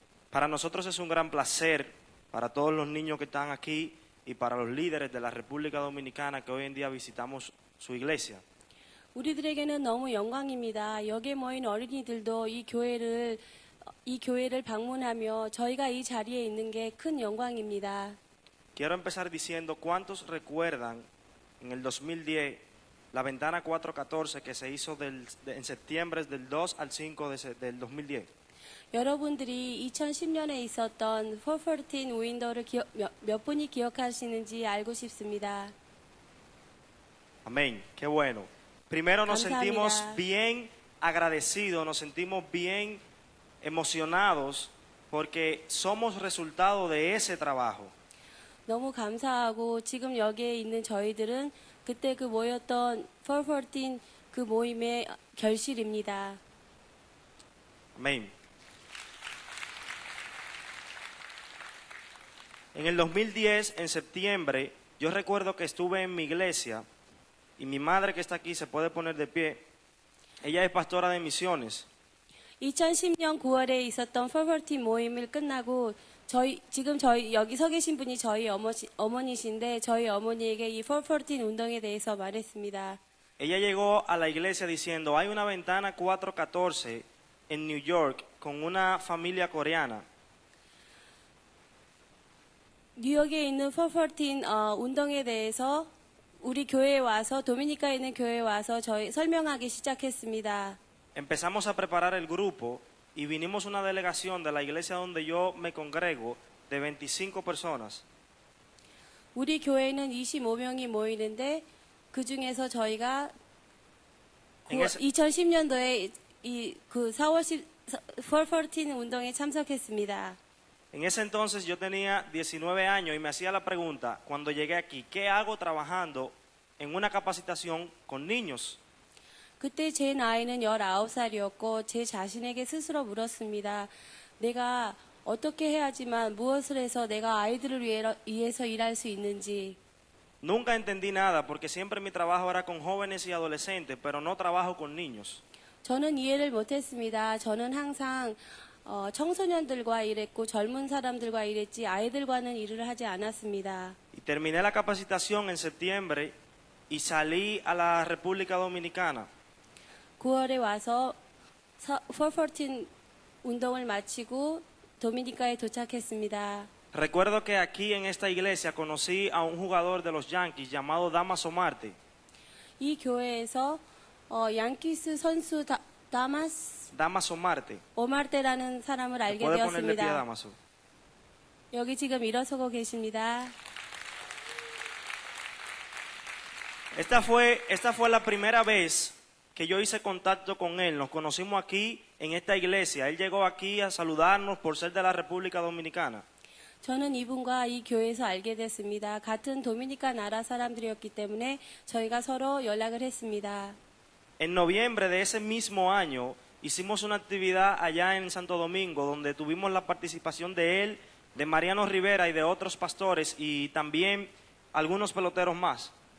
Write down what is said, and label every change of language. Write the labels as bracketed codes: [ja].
[es] Para nosotros es un gran placer para todos los niños que están aquí y para los líderes de la República Dominicana que hoy en día visitamos su iglesia. [ko] 우리들에게는 너무 영광입니다. 여기 모인 어린이들도 이 교회를 방문하며 저희가 이 자리에 있는 게 큰 영광입니다. [es] Quiero empezar diciendo cuántos recuerdan en el 2010 la ventana 414 que se hizo en septiembre del 2 al 5 del 2010. [ko] 여러분들이 2010년에 있었던 414 윈도우를 몇 분이 기억하시는지 알고 싶습니다. [es] Amén. Qué bueno. Primero nos sentimos bien agradecidos, nos sentimos bien emocionados porque somos resultado de ese trabajo. [ko] 너무 감사하고 지금 여기에 있는 저희들은 그때 그 모였던 414 그 모임의 결실입니다. [es] Amén. En el 2010 en septiembre, yo recuerdo que estuve en mi iglesia y mi madre que está aquí se puede poner de pie. Ella es pastora de misiones. [ko] 2010년 9월에 있었던 440 모임을 끝나고 지금 여기 서 계신 분이 저희 어머니신데 저희 어머니에게 이 414 운동에 대해서 말했습니다. [es] Ella llegó a la iglesia diciendo hay una ventana 414 en New York con una familia coreana. [ko] 뉴욕에 있는 414 운동에 대해서 우리 교회에 와서 도미니카에 있는 교회에 와서 저희 설명하기 시작했습니다. [es] Empezamos a preparar el grupo y vinimos una delegación de la iglesia donde yo me congrego de 25 personas. [ko] 우리 교회는 25명이 모이는데 그 중에서 저희가 2010년도에 414 운동에 참석했습니다. [es] En ese entonces yo tenía 19 años y me hacía la pregunta cuando llegué aquí, ¿qué hago trabajando en una capacitación con niños? [ko] 그때 제 나이는 19살이었고 제 자신에게 스스로 물었습니다. 내가 어떻게 해야지만 무엇을 해서 내가 아이들을 위해서 일할 수 있는지. [es] Nunca entendí nada porque siempre mi trabajo era con jóvenes y adolescentes, pero no trabajo con niños. [ko] 저는 이해를 못했습니다. 저는 항상 청소년들과 일했고 젊은 사람들과 일했지 아이들과는 일을 하지 않았습니다. [es] Y terminé la capacitación en septiembre y salí a la República Dominicana. [ko] 9월에 와서 414 운동을 마치고 도미니카에 도착했습니다. [es] Recuerdo que aquí en esta iglesia conocí a un jugador de los Yankees llamado Damaso Marte. [ko] 이 교회에서 양키스 선수 [es] Damaso Marte. [ko] 오마르테라는 사람을 알게 되었습니다. [es] Pie, Damaso. [ko] 여기 지금 일어서고 계십니다. [es] Esta fue la primera vez que yo hice contacto con él. Nos conocimos aquí en esta iglesia. Él llegó aquí a saludarnos por ser de la República Dominicana. [ko] 저는 이분과 이 교회에서 알게 됐습니다. 같은 도미니카 나라 사람들이었기 때문에 저희가 서로 연락을 했습니다. [es] En noviembre de ese mismo año hicimos una actividad allá en Santo Domingo donde tuvimos la participación de él, de Mariano Rivera y de otros pastores y también algunos peloteros más.